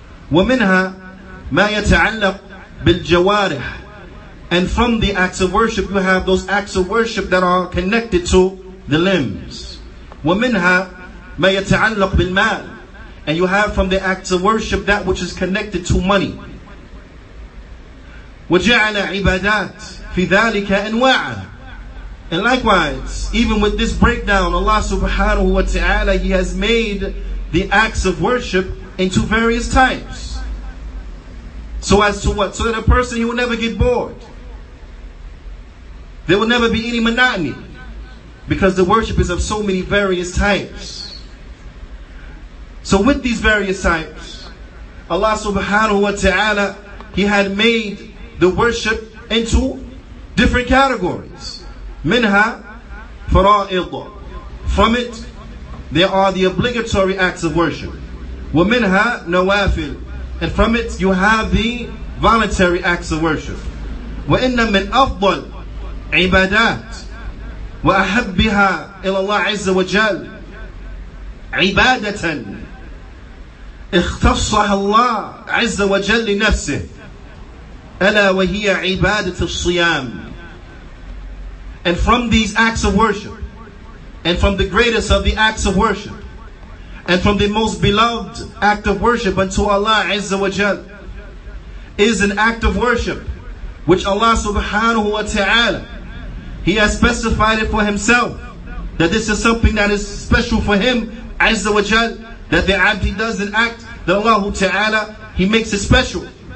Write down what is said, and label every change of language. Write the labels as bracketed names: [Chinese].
[Arabic] وَمِنْهَا مَا يَتَعَلَّقْ بِالْجَوَارِحِ. [English] And from the acts of worship, you have those acts of worship that are connected to the limbs. [Arabic] وَمِنْهَا مَا يَتَعَلَّقْ بِالْمَالِ. [English] And you have from the acts of worship that which is connected to money. [Arabic] وَجَعَلَ عِبَادَاتِ فِي ذَلِكَ أَنْوَاعًا. [English] And likewise, even with this breakdown, Allah subhanahu wa ta'ala, He has made the acts of worship into various types. So as to what? So that a person, he will never get bored. There will never be any monotony. Because the worship is of so many various types. So with these various types, Allah subhanahu wa ta'ala, He had made the worship into different categories. [Arabic] Minha fara'id. [English] From it, there are the obligatory acts of worship. [Arabic] Wa minha nawafil. [English] And from it, you have the voluntary acts of worship. [Arabic] Wa inna min afdal ibadat. Wa ahabbiha ila Allah azza wa jal. Ibadatan. اختصها الله عز وجل لنفسه ألا وهي عبادة الصيام. [English] And from these acts of worship, and from the greatest of the acts of worship, and from the most beloved act of worship unto Allah Azza wa Jal, is an act of worship which Allah subhanahu wa ta'ala, He has specified it for Himself, that this is something that is special for Him Azza wa Jal, that the abdi does an act that Allah ta'ala, He makes it special.